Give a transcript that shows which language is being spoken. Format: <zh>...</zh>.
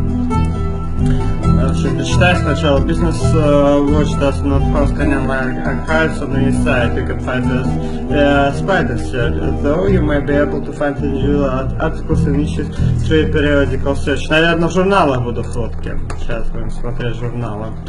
<ru>Значит, почитай сначала.</ru> <en>Business Watch does not post any archives on any site. You can find this spider search, though you may be able to find individual articles and issues through periodical search.</en> <ru>Наверное, в журналах буду фотки. Сейчас будем смотреть журналы.</ru>